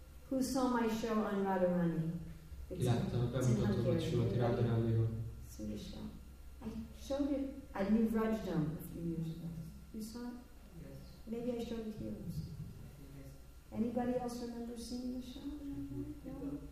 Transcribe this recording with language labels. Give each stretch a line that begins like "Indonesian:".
English: Who saw my show on Radharani?
Hungarian: Ki látta a bemutatómat Simati Radharaniról?
English: I showed it at New Rajdhan a few years ago. You saw it? Yes. Maybe I showed it here. Anybody else remember seeing the show?